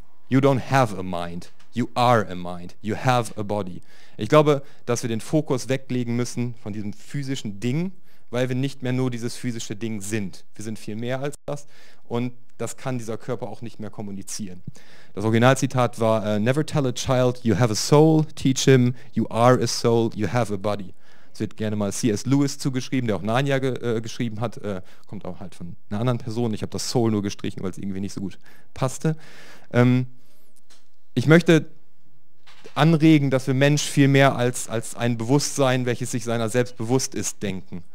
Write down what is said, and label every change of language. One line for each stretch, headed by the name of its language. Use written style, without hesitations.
English: You don't have a mind, you are a mind, you have a body.
German: Ich glaube, dass wir den Fokus weglegen müssen von diesem physischen Ding, weil wir nicht mehr nur dieses physische Ding sind. Wir sind viel mehr als das und das kann dieser Körper auch nicht mehr kommunizieren. Das Originalzitat war,
English: never tell a child you have a soul, teach him you are a soul, you have a body.
German: Es wird gerne mal C.S. Lewis zugeschrieben, der auch Narnia geschrieben hat, kommt auch halt von einer anderen Person. Ich habe das Soul nur gestrichen, weil es irgendwie nicht so gut passte. Ich möchte anregen, dass wir Mensch viel mehr als ein Bewusstsein, welches sich seiner selbst bewusst ist, denken.